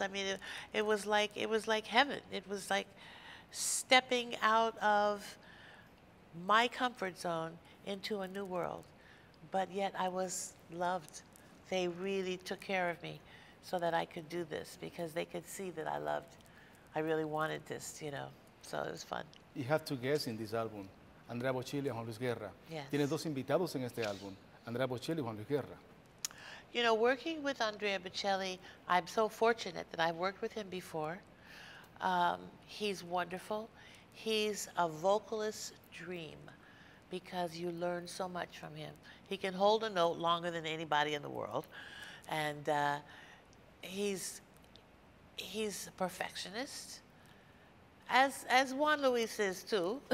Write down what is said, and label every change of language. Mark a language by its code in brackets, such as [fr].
[en] I mean, it was like heaven. It was like stepping out of my comfort zone into a new world. But yet I was loved. They really took care of me so that I could do this because they could see that I loved. I really wanted this, you know, so it was fun. You have two guests in this album, Andrea Bocelli and Juan Luis Guerra. Yes. [es] Tienes dos invitados en este álbum, Andrea Bocelli y Juan Luis Guerra. [en] You know, working with Andrea Bocelli, I'm so fortunate that I've worked with him before. He's wonderful. He's a vocalist dream because you learn so much from him. He can hold a note longer than anybody in the world. And he's a perfectionist, as Juan Luis is too.